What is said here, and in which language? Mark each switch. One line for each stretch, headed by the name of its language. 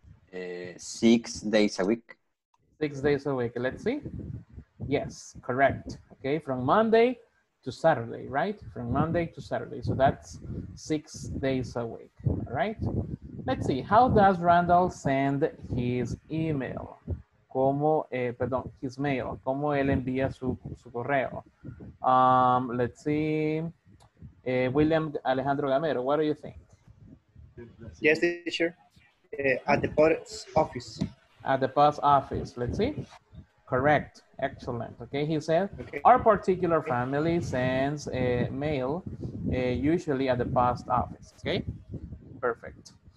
English: 6 days a week. 6 days a week. Let's see. Yes, correct. Okay, from Monday to Saturday, right? From Monday to Saturday. So that's 6 days a week. All right. Let's see. How does Randall send his email?
Spanish: cómo, perdón,
English: his mail,
Spanish: cómo él envía su correo.
English: Let's see, William Alejandro Gamero, what do you think? Yes, teacher, at the post office. At the post office, let's see. Correct, excellent. Okay, he said, okay. Our particular family sends a mail usually at the post office, okay? Perfect.